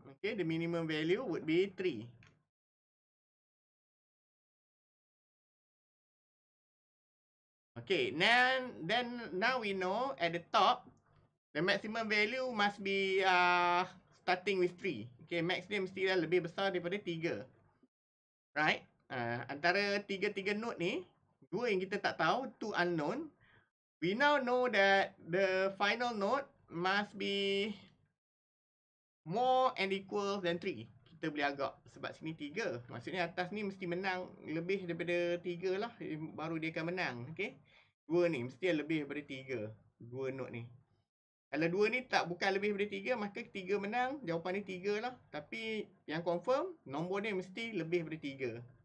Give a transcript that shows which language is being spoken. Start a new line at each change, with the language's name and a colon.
English: Okay, the minimum value would be 3. Okay, then now we know at the top the maximum value must be starting with 3.
Malay: Okay, max dia mesti dah lebih besar daripada 3. Right? Antara tiga-tiga note ni, dua yang kita tak tahu,
English: two unknown. We now know that the final note must be more and equal than 3.
Malay: Kita boleh agak sebab sini 3. Maksudnya atas ni mesti menang lebih daripada 3 lah. Baru dia akan menang. Okay? Dua ni mesti lebih daripada 3. Dua note ni. Kalau dua ni tak bukan lebih daripada 3, maka 3 menang. Jawapan ni 3 lah. Tapi yang confirm, nombor ni mesti lebih daripada 3.